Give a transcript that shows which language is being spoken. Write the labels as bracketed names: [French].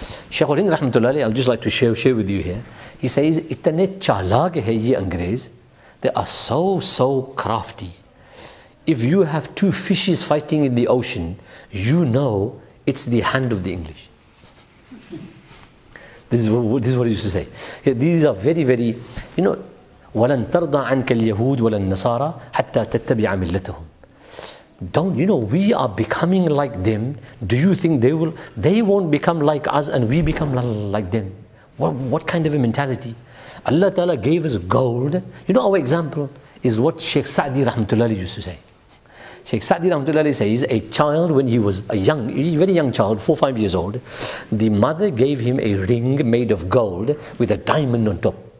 [English] Sheikh Al-Hind Rahmatullah Ali, I'll just like to share with you here. He says, [Hindi] itne chalaag hai ye angrez, [English] they are so, so crafty. If you have two fishes fighting in the ocean, you know it's the hand of the English. This is what he used to say. These are very, very, you know, [Arabic] وَلَن تَرْضَ عَنْكَ الْيَهُودِ وَلَن نَصَارَى حَتَّى تَتَّبِعَ مِلَّتَهُمْ. [English] Don't you know we are becoming like them? Do you think they won't become like us and we become like them? What kind of a mentality? Allah Ta'ala gave us gold. You know, our example is what Sheikh Sa'di Rahmatullah used to say. Sheikh Sa'di Rahmatullah says, a child when he was a very young child, 4 or 5 years old, the mother gave him a ring made of gold with a diamond on top.